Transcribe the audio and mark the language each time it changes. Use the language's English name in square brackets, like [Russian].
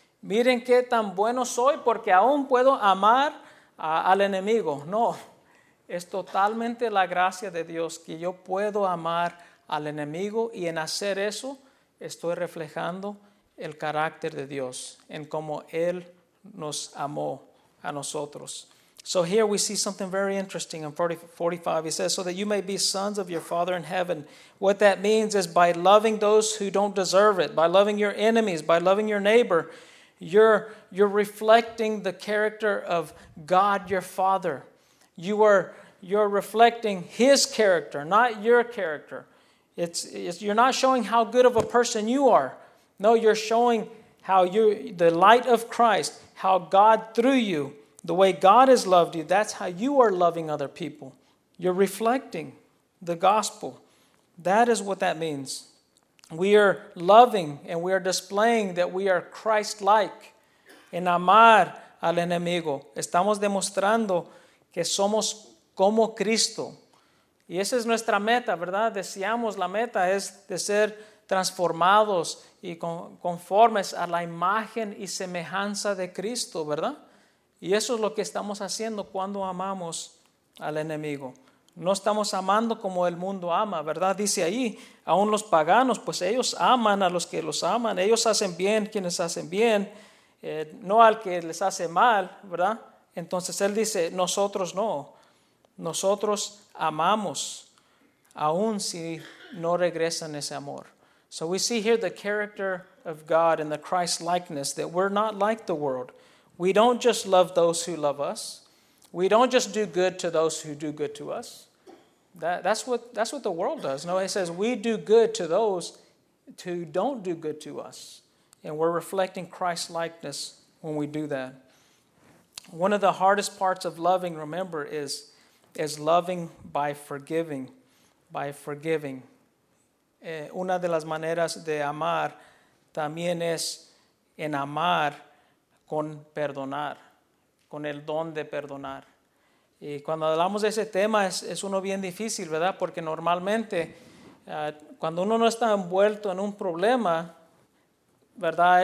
[Spanish] Miren qué tan bueno soy porque aún puedo amar al enemigo. No, es totalmente la gracia de Dios que yo puedo amar al enemigo, y en hacer eso estoy reflejando el carácter de Dios en cómo Él nos amó a nosotros. [English] So here we see something very interesting in 45. He says, so that you may be sons of your Father in heaven. What that means is by loving those who don't deserve it, by loving your enemies, by loving your neighbor, you're reflecting the character of God your Father. You're reflecting His character, not your character. It's you're not showing how good of a person you are. No, you're showing how you, the light of Christ, how God through you, the way God has loved you, that's how you are loving other people. You're reflecting the gospel. That is what that means. We are loving and we are displaying that we are Christ-like. [Spanish] En amar al enemigo, estamos demostrando que somos como Cristo. Y esa es nuestra meta, ¿verdad? Deseamos, la meta es de ser transformados y conformes a la imagen y semejanza de Cristo, ¿verdad? Y eso es lo que estamos haciendo cuando amamos al enemigo. No estamos amando como el mundo ama, ¿verdad? Dice ahí, aún los paganos, pues ellos aman a los que los aman. Ellos hacen bien quienes hacen bien, no al que les hace mal, ¿verdad? Entonces él dice, nosotros no. Nosotros amamos, aun si no regresan ese amor. [English] So we see here the character of God and the Christ-likeness, that we're not like the world. We don't just love those who love us. We don't just do good to those who do good to us. That's what the world does. No, it says we do good to those who don't do good to us. And we're reflecting Christ-likeness when we do that. One of the hardest parts of loving, remember, is loving by forgiving. By forgiving. [Spanish] Una de las maneras de amar también es en amar con perdonar, con el don de perdonar. Y cuando hablamos de ese tema es uno bien difícil, ¿verdad? Porque normalmente cuando uno no está envuelto en un problema, ¿verdad?